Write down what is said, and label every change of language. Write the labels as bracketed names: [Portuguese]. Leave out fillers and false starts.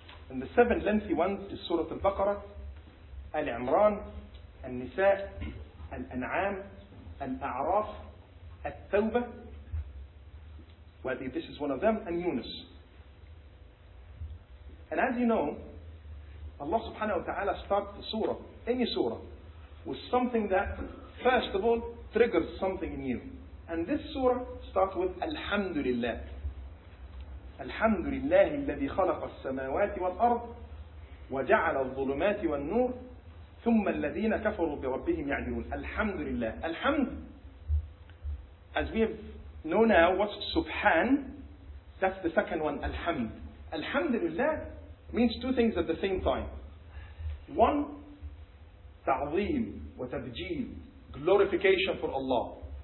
[English] And the seven lengthy ones is Surah Al-Baqarah, Al-Imran, Al-Nisa, Al-An'am, Al-A'raf, Al-Tawbah, this is one of them, and Yunus. And as you know, Allah subhanahu wa ta'ala starts the surah, any surah, with something that, first of all, triggers something in you. And this surah starts with Alhamdulillah. [Arabic] Alhamdulillah, الذي خلق السماوات والأرض وجعل الظلمات والنور ثم الذين كفروا بربهم يعدلون. Alhamdulillah. [English] Alhamd, as we have known now, what's Subhan? That's the second one, Alhamd. Alhamdulillah means two things at the same time. One, ta'zeem wa tabjeel, glorification for Allah.